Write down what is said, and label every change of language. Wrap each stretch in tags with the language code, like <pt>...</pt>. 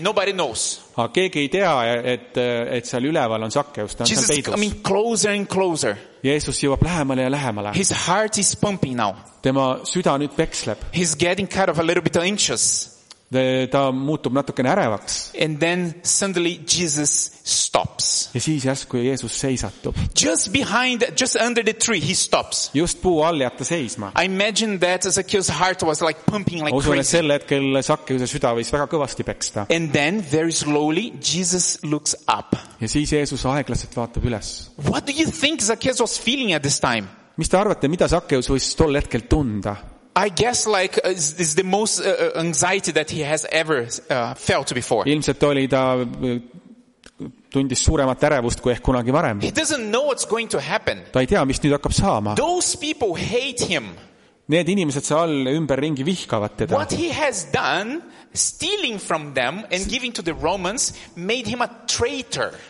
<en>Nobody knows.</en> <et>Aga keegi ei tea, et seal üleval on Sakkeus.</et> <en>Jesus</en> <et>on peidus.</et> <en>Coming closer and closer.</en> <et>Jeesus jõuab lähemale ja lähemale.</et> <en>His heart is pumping now.</en> <et>Tema süda nüüd peksleb.</et> <en>He's getting kind of a little bit anxious.</en> <et>Ta muutub natukene ärevaks.</et> <en>And then suddenly Jesus stops.</en> <et>Ja siis järsku Jeesus seisatub.</et> <en>Just under the tree he stops.</en> <et>Just puu all jääb ta seisma.</et> <en>I imagine that Zacchaeus' heart was like pumping like</en> <et>usun,</et> <en>crazy.</en> <et>Sel hetkel Sakkeuse süda võis väga kõvasti peksta.</et> <en>And then very slowly Jesus looks up.</en> <et>Ja siis Jeesus aeglaselt vaatab üles.</et> <en>What do you think Zacchaeus was feeling at this time?</en> <et>Mis te arvate, mida Sakkeus võis tol hetkel tunda?</et> <en>I guess like is the most anxiety that he has ever felt before.</en> <et>Ilmselt oli ta tundis suuremat ärevust kui ehk kunagi varem.</et> <en>He doesn't know what's going to happen.</en> <et>Ta ei tea, mis nüüd hakkab saama.</et> <en>Those people hate him.</en> <et>Need inimesed seal ümber ringi vihkavad teda.</et> <en>What he has done, stealing from them and giving to the Romans, made him a traitor.</en>